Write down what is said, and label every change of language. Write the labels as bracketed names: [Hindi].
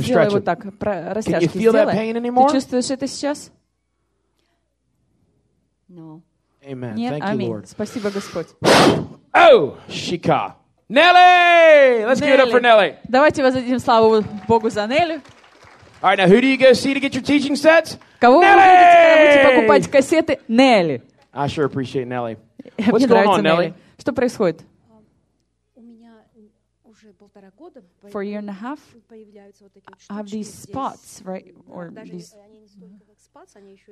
[Russian] Сделай вот так, растяжки. [English] Can you feel [Russian] сделай. [English] That pain anymore? [Russian] Ты чувствуешь это сейчас? [English] No. Amen. [Russian] Нет, [English] thank [Russian] аминь. [English] You, Lord. [Russian] Спасибо, Господь. [English] Oh, Shika. Nelly! Let's give it up for Nelly. [Russian] Давайте воздадим славу Богу за Нелли. [English] All right, now who do you go see to get your teaching sets? [Russian] Кого вы будете покупать кассеты? Нелли. [English] I sure appreciate Nelly. What's going on, Nelly? [Russian] Что происходит? У меня уже полтора года. [English] For a year and a half. [Russian] Появляются вот такие штучки. [English] Have these spots, right? Or these? Mm-hmm.